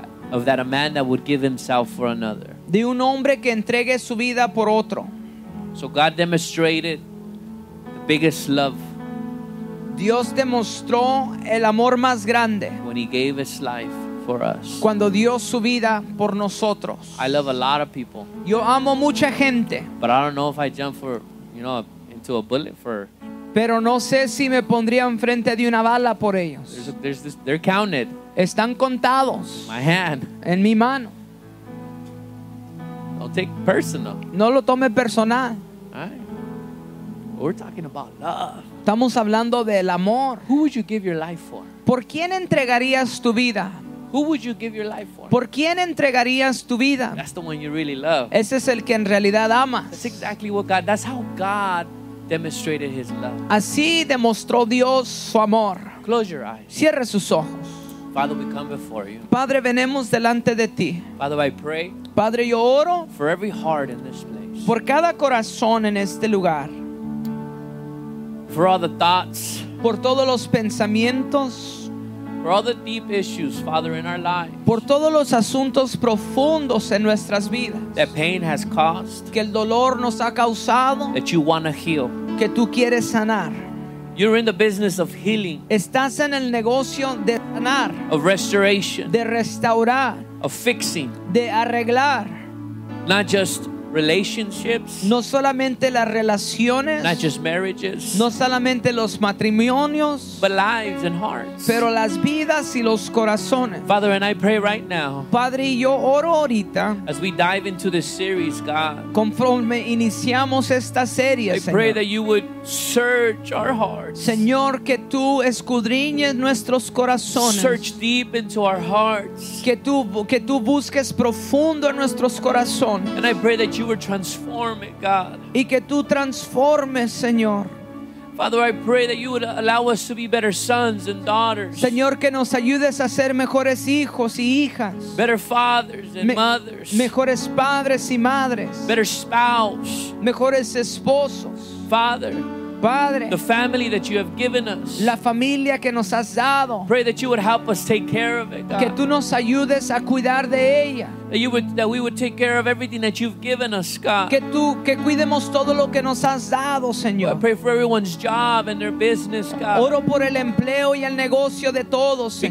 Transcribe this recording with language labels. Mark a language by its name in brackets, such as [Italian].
[English] Of that a man that would give himself for another. [Spanish] De un hombre que entregue su vida por otro. [English] So God demonstrated the biggest love. [Spanish] Dios demostró el amor más grande. [English] When He gave His life for us. [Spanish] Cuando dio su vida por nosotros. [English] I love a lot of people. [Spanish] Yo amo mucha gente. [English] But I don't know if I jump for, into a bullet for. [Spanish] Pero no sé si me pondría enfrente de una bala por ellos. [English] They're counted. [Spanish] Están contados. [English] My hand. [Spanish] En mi mano. [English] Don't take personal. [Spanish] No lo tome personal. [English] Right. We're talking about love. [Spanish] Estamos hablando del amor. [English] Who would you give your life for? [Spanish] ¿Por quién entregarías tu vida? [English] Who would you give your life for? [Spanish] ¿Por quién entregarías tu vida? [English] That's the one you really love. [Spanish] Ese es el que en realidad amas. [English] That's exactly what God. That's how God demonstrated His love. [Spanish] Así demostró Dios su amor. [English] Close your eyes. [Spanish] Cierre sus ojos. [English] Father, we come before you. [Spanish] Padre, venimos delante de ti. [English] Father, I pray. [Spanish] Padre, yo oro. [English] For every heart in this place. [Spanish] Por cada corazón en este lugar. [English] For all the thoughts. [Spanish] Por todos los pensamientos. [English] For all the deep issues, Father, in our lives. [Spanish] Por todos los asuntos profundos en nuestras vidas. [English] That pain has caused. [Spanish] Que el dolor nos ha causado. [English] That you want to heal. [Spanish] Que tú quieres sanar. [English] You're in the business of healing. [Spanish] Estás en el negocio de sanar. [English] Of restoration. [Spanish] De restaurar. [English] Of fixing. [Spanish] De arreglar. [English] Not just relationships. [Spanish] No solamente las relaciones. [English] Not just marriages. [Spanish] No solamente los matrimonios. [English] But lives and hearts. [Spanish] Pero las vidas y los corazones. [English] Father, and I pray right now. [Spanish] Padre, yo oro ahorita. [English] As we dive into this series, God. [Spanish] Conforme iniciamos esta serie, Señor. [English] I pray that you would search our hearts. [Spanish] Señor, que tú escudriñes nuestros corazones. [English] Search deep into our hearts. [Spanish] Que tú busques profundo en nuestros corazones. [English] And I pray that you would transform it, God. [Spanish] Y que tú transformes, Señor. [English] Father, I pray that you would allow us to be better sons and daughters. [Spanish] Señor, que nos ayudes a ser mejores hijos y hijas. [English] Better fathers and mothers. [Spanish] Mejores padres y madres. [English] Better spouse. [Spanish] Mejores esposos. [English] Father. [Spanish] Padre. [English] The family that you have given us. [Spanish] La familia que nos has dado. [English] Pray that you would help us take care of it, God. [Spanish] Que tú nos ayudes a cuidar de ella. [English] That we would take care of everything that you've given us, God. [Spanish] Que cuidemos todo lo que nos has dado, Señor. [English] I pray for everyone's job and their business, God. [Spanish] Oro por el empleo y el negocio de todos, Señor.